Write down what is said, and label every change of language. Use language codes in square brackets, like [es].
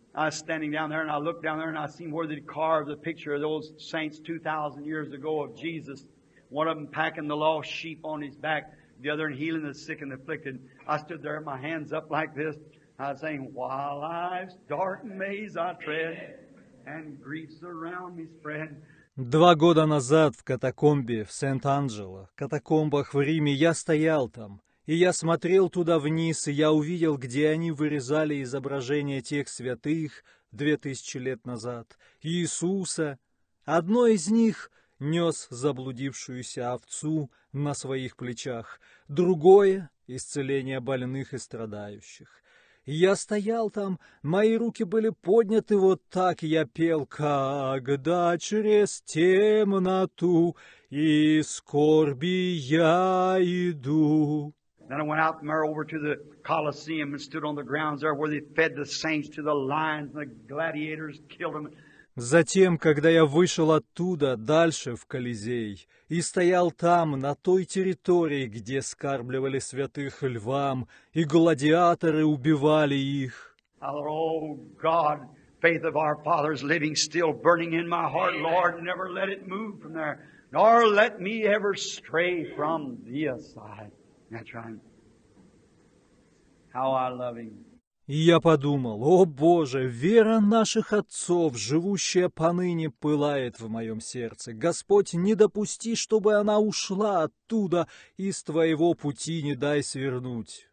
[en] I was standing down there and I looked down there and I seen where they'd carved the picture of those saints 2,000 years ago of Jesus. One of them packing the lost sheep on his back, the other in healing the sick and afflicted. I stood there with my hands up like this. I was saying, while life's dark maze I tread and griefs around me spread. [ru] 2 года назад в катакомбе в Сент-Анджело, катакомбах в Риме, я стоял там. И я смотрел туда вниз, и я увидел, где они вырезали изображение тех святых 2000 лет назад, Иисуса. Одно из них нес заблудившуюся овцу на своих плечах, другое — исцеление больных и страдающих. И я стоял там, мои руки были подняты, вот так я пел, когда через темноту и скорби я иду. [en] Then I went out from there over to the Colosseum and stood on the grounds there where they fed the saints to the lions and the gladiators killed them. [ru] Затем, когда я вышел оттуда, дальше в Колизей, и стоял там, на той территории, где скармливали святых львам, и гладиаторы убивали их. [en] Oh God, faith of our fathers living still burning in my heart, Lord, never let it move from there, nor let me ever stray from thee aside. How I love him. [ru] И я подумал, о Боже, вера наших отцов, живущая поныне, пылает в моем сердце. Господь, не допусти, чтобы она ушла оттуда, и с твоего пути не дай свернуть.